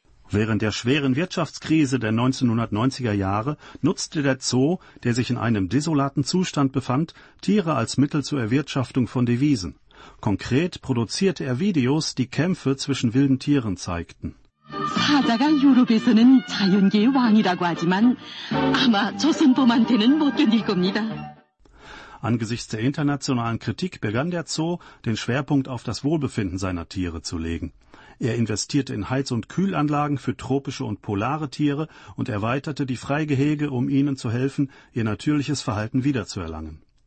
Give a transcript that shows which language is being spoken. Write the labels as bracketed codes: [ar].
[de] Während der schweren Wirtschaftskrise der 1990er Jahre nutzte der Zoo, der sich in einem desolaten Zustand befand, Tiere als Mittel zur Erwirtschaftung von Devisen. Konkret produzierte er Videos, die Kämpfe zwischen wilden Tieren zeigten. [ko] 사자가 유럽에서는 자연계의 왕이라고 하지만 아마 조선봄한테는 못 견딜 겁니다. [de] Angesichts der internationalen Kritik begann der Zoo, den Schwerpunkt auf das Wohlbefinden seiner Tiere zu legen. Er investierte in Heiz- und Kühlanlagen für tropische und polare Tiere und erweiterte die Freigehege, um ihnen zu helfen, ihr natürliches Verhalten wiederzuerlangen.